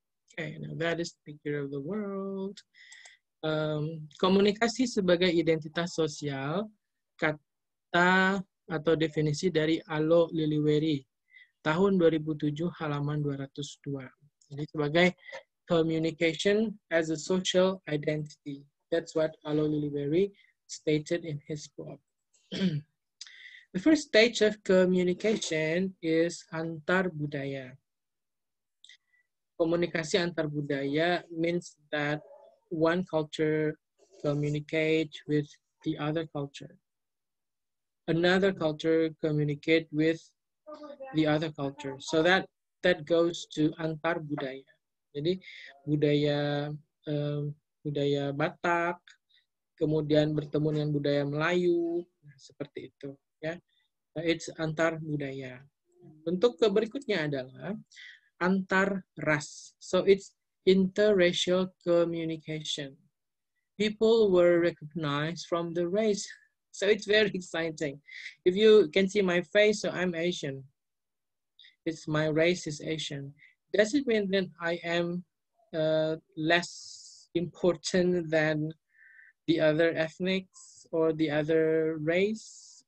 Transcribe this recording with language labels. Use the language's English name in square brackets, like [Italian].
[English] Okay, now that is the picture of the world. [Indonesian] Komunikasi sebagai identitas sosial, kata atau definisi dari Allo Liliweri, tahun 2007, halaman 202. Jadi sebagai [English] communication as a social identity. That's what Allo Liliweri stated in his book. The first stage of communication is antar budaya. Komunikasi antar budaya means that one culture communicate with the other culture. Another culture communicate with the other culture. So that goes to [Indonesian] antar budaya. Jadi budaya budaya Batak, kemudian bertemu dengan budaya Melayu, seperti itu. Ya, it's antar budaya. Bentuk keberikutnya adalah antar ras. [English] So it's interracial communication. people were recognized from the race. So it's very exciting. If you can see my face, so I'm Asian. It's my race is Asian. Does it mean that I am less important than the other ethnics or the other race?